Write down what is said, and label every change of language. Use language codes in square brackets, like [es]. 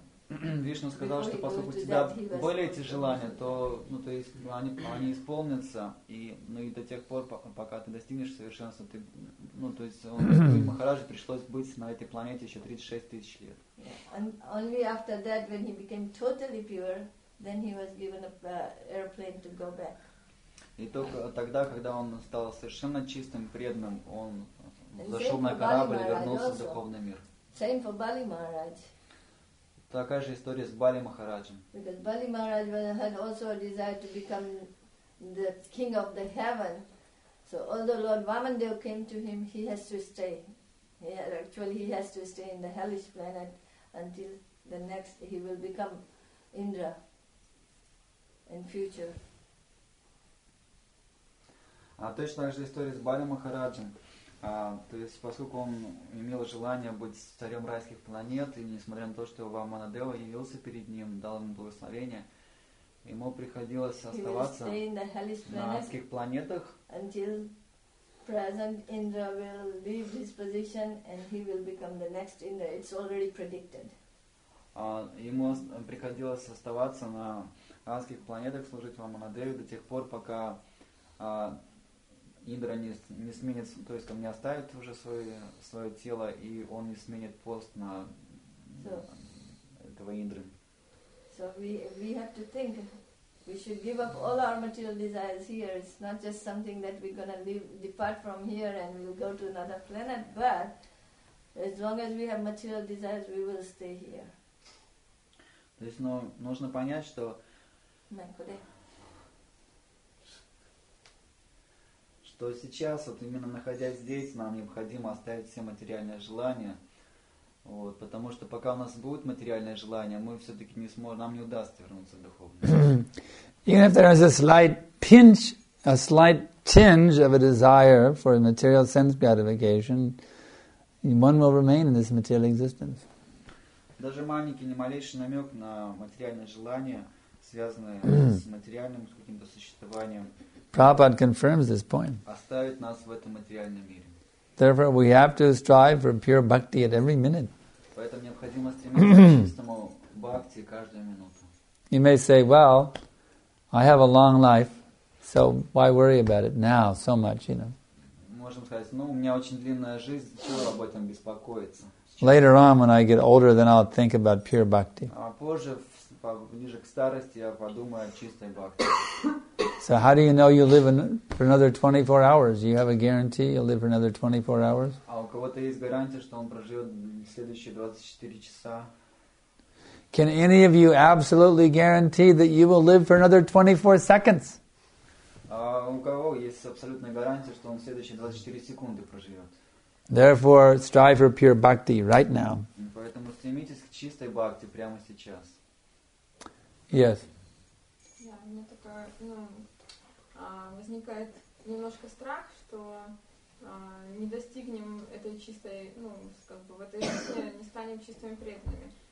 [ru] Вишну сказал, что поскольку у тебя были эти желания, то, ну, то есть они исполнятся, и, ну, и до тех пор, пока ты достигнешь совершенства, ты, ну, то есть Дхрува Махараджа пришлось быть на этой планете еще 36 тысяч лет. [en] Only after that, when he became totally pure, then he was given an airplane to go back. [ru] И только тогда, когда он стал совершенно чистым, преданным, он зашел на корабль и вернулся в духовный мир. [en] Same for Bali Maharaj. [ru] Такая же история с Бали Махараджем. [en] Because Bali Maharaj had also a desire to become the king of the heaven. So although Lord Vamandev came to him, he has to stay. He has to stay in the hellish planet until the next he will become Indra. In future. [ru] А точно так же история с Бали Махараджем. То есть, поскольку он имел желание быть царем райских планет, и несмотря на то, что Ваманадева явился перед ним, дал ему благословение, ему приходилось оставаться на райских планетах. [en] Until present Indra will leave his position and he will become the next Indra. It's already predicted. [ru] Ему приходилось оставаться на райских планетах, служить Ваманадеве до тех пор, пока Индра не сменит, то есть не оставит уже свое тело, и он не сменит пост на этого Индры. [en] So we have to think, we should give up all our material desires here. It's not just something that we're gonna depart from here and we'll go to another planet, but as long as we have material desires, we will stay here. [ru] То есть, ну, нужно понять, что что сейчас, вот именно находясь здесь, нам необходимо оставить все материальные желания. Вот, потому что пока у нас будет материальное желание, мы все-таки не сможем, нам не удастся вернуться в духовность. [en] Even if there is a slight pinch, a slight tinge of a desire for a material sense gratification, one will remain in this material existence. [ru] Даже маленький, немалейший намек на материальное желание, связанное с материальным каким-то существованием, [en] Prabhupada confirms this point. [ru] Оставит нас в этом материальном мире. [en] Therefore, we have to strive for pure bhakti at every minute. [ru] Поэтому необходимо стремиться к чистому бхакти каждую минуту. [en] You may say, well, I have a long life, so why worry about it now so much, you know? [ru] Можем сказать, ну, у меня очень длинная жизнь, чего об этом беспокоиться? [en] Later on, when I get older, then I'll think about pure bhakti. [ru] А позже, ближе к старости, я подумаю о чистой бхакти. [en] So how do you know you live for another 24 hours? You have a guarantee you'll live for another 24 hours? [ru] А у кого-то есть гарантия, что он проживет следующие 24 часа? [en] Can any of you absolutely guarantee that you will live for another 24 seconds? [ru] У кого есть абсолютная гарантия, что он следующие 24 секунды проживет? [en] Therefore, strive for pure bhakti right now. [ru] Поэтому стремитесь к чистой бхакти прямо сейчас. [en] Yes. [ru] У меня такая, ну, возникает немножко страх, что не достигнем этой чистой, ну, как бы в этой жизни не станем чистыми преданными.